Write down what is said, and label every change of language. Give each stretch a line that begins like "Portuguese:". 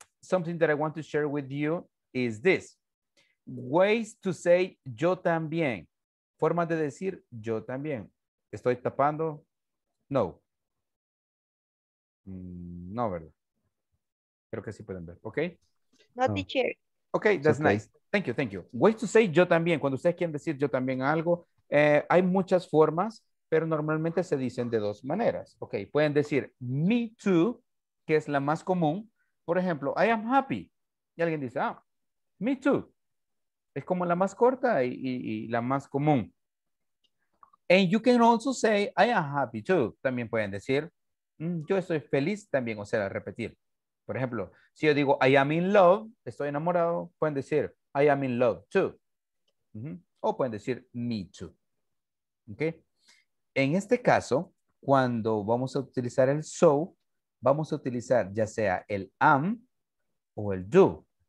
English: Something that I want to share with you is this. Ways to say
Spanish: yo también. Formas de decir yo también. Estoy tapando. No. No, ¿verdad? Creo que sí pueden ver. Ok.
English: No, teacher. Ok, that's okay. Nice. Thank you, thank you. Wait to say
Spanish: yo también. Cuando ustedes quieren decir yo también algo, hay muchas formas, pero normalmente se dicen de dos maneras. Ok, pueden decir
English: me too,
Spanish: que es la más común. Por ejemplo,
English: I am happy.
Spanish: Y alguien dice,
English: ah, me too.
Spanish: Es como la más corta y la más común.
English: And you can also say, I am happy too.
Spanish: También pueden decir, yo estoy feliz también, o sea, repetir. Por ejemplo, si yo digo,
English: I am in love,
Spanish: estoy enamorado, pueden decir,
English: I am in love too.
Spanish: Mm-hmm. O pueden decir,
English: me too.
Spanish: Okay. En este caso, cuando vamos a utilizar el so, vamos a utilizar ya sea el am o el do.